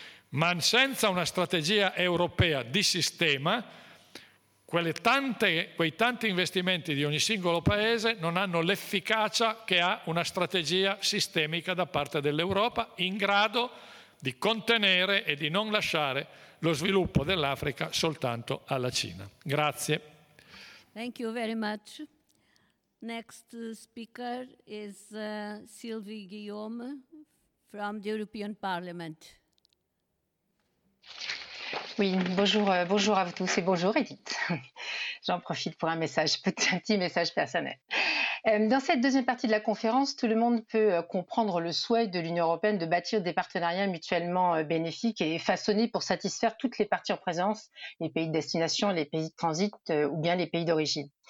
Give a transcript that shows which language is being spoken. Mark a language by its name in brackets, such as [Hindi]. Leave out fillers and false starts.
[Italian] Ma senza una strategia europea di sistema, quei tanti investimenti di ogni singolo paese non hanno l'efficacia che ha una strategia sistemica da parte dell'Europa, in grado di contenere e di non lasciare lo sviluppo dell'Africa soltanto alla Cina. Grazie. [English] Thank you very much. Next speaker is Sylvie Guillaume from the European Parliament. [French] Oui, bonjour à vous tous et bonjour Edith. J'en profite pour un petit message personnel. Dans cette deuxième partie de la conférence, tout le monde peut comprendre le souhait de l'Union européenne de bâtir des partenariats mutuellement bénéfiques et façonnés pour satisfaire toutes les parties en présence, les pays de destination, les pays de transit ou bien les pays d'origine.